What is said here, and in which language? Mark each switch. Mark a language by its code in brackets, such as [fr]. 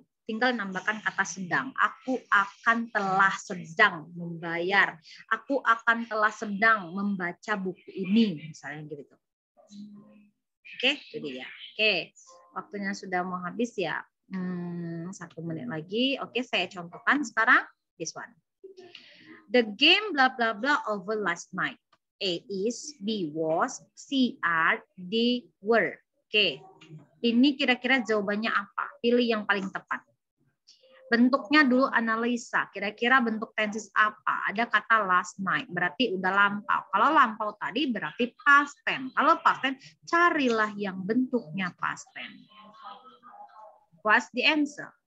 [id] Tinggal nambahkan kata sedang. Aku akan telah sedang membayar. Aku akan telah sedang membaca buku ini, misalnya gitu. Oke, okay, jadi ya. Oke, okay. Waktunya sudah mau habis ya. Satu menit lagi. Oke, okay, saya contohkan sekarang. [en] This one. The game bla bla bla over last night. A is, B was, C are, D were. Oke. Okay. [id] ini kira-kira jawabannya apa? Pilih yang paling tepat. Bentuknya dulu analisa, kira-kira bentuk tenses apa? Ada kata last night, berarti udah lampau. Kalau lampau tadi berarti past tense. Kalau past tense, carilah yang bentuknya past tense. [en] What's the answer?